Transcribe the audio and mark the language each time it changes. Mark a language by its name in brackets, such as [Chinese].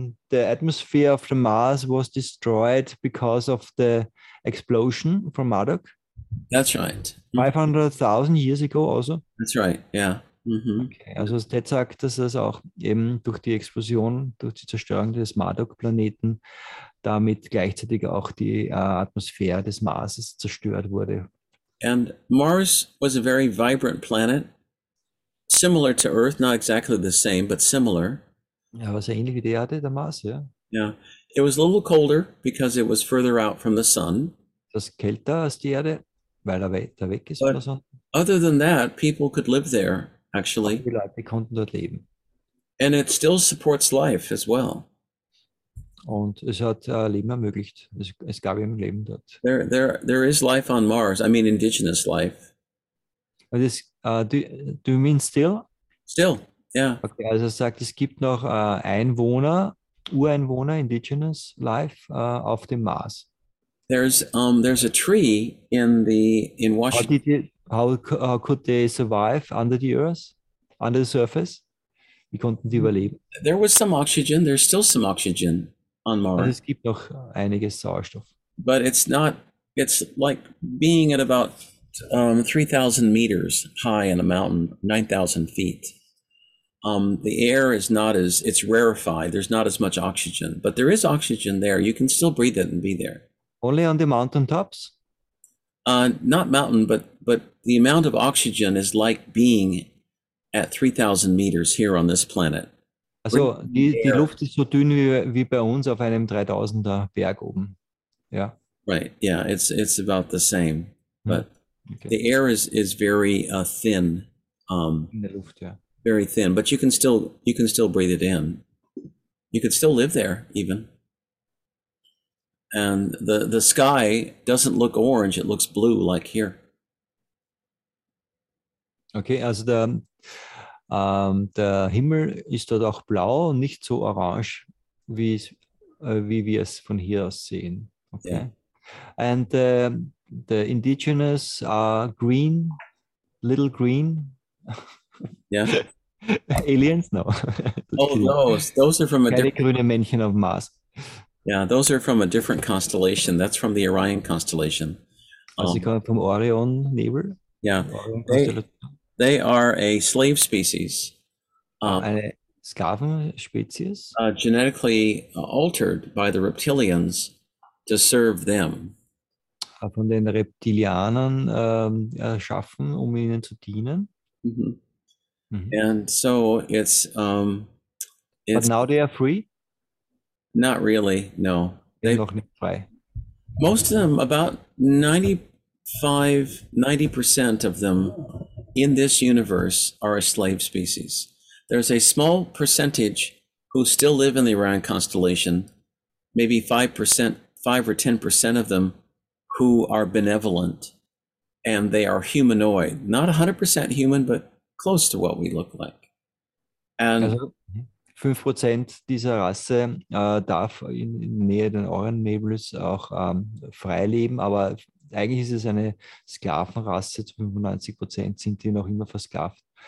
[English] The atmosphere of the Mars was destroyed because of the explosion from Marduk. That's right. 500,000 years ago also. That's right, yeah. Mm-hmm. [German] Okay, also Ted sagt, dass es auch eben durch die Explosion, durch die Zerstörung des Marduk-Planeten, damit gleichzeitig auch die Atmosphäre des Marses zerstört wurde. [English] And Mars was a very vibrant planet, similar to Earth, not exactly the same, but similar. [German] Ja, war sehr ähnlich wie die Erde, der Mars, ja. [English] Yeah, it was a little colder because it was further out from the sun. [German] Das ist kälter als die Erde, weil er weiter weg ist von der Sonne. [English] Other than that, people could live there. Actually, [German] die Leute konnten dort leben. [English] And it still supports life as well. [German] Und es hat Leben ermöglicht. Es gab eben Leben dort. [English] There is life on Mars. I mean, indigenous life. Do you mean still? Still, yeah. [German] Okay, also sagt, es gibt noch Einwohner, Ureinwohner, indigenous life auf dem Mars. [English] There's a tree in Washington. How could they survive under the earth, under the surface? [German] Wie konnten die überleben? [English] There was some oxygen. There's still some oxygen on Mars. [German] Also es gibt noch einiges Sauerstoff. [English] But it's not, it's like being at about 3,000 meters high in a mountain, 9,000 feet. The air is not as, it's rarefied. There's not as much oxygen, but there is oxygen there. You can still breathe it and be there. Only on the mountaintops? Not mountain, but the amount of oxygen is like being at 3,000 meters here on this planet. [German] Also, die Luft ist so dünn wie bei uns auf einem 3000er Berg oben. Ja. [English] Right. Yeah. It's about the same, but okay. The air is very thin. [German] In der Luft, ja. [English] Very thin, but you can still breathe it in. You could still live there even. And the sky doesn't look orange, it looks blue, like here. [German] Okay, also der Himmel ist dort auch blau und nicht so orange, wie wir es von hier aus sehen. [English] Okay. Yeah. And the indigenous are green, little green. Yeah. Aliens? No. Oh, those are from a [German] Keine grünen Männchen auf dem Mars. [English] Yeah, those are from a different constellation. That's from the Orion constellation. [German] Also, sie kommen vom Orion Nebel. [English] Yeah, they are a slave species. [German] Eine Sklavenspezies? [English] Genetically altered by the reptilians to serve them. [German] Von den Reptilianern erschaffen, um ihnen zu dienen. [English] And so it's but now they are free? Not really, no. They're [German] noch nicht frei. [English] Most of them, about 90% of them in this universe are a slave species. There's a small percentage who still live in the Orion constellation, maybe 5%, 5 or 10% of them who are benevolent, and they are humanoid. Not 100% human, but close to what we look like. And [German] also, 5% dieser Rasse darf in Nähe den Orion-Nebels auch frei leben, aber eigentlich ist es eine Sklavenrasse, zu 95% sind die noch immer versklavt.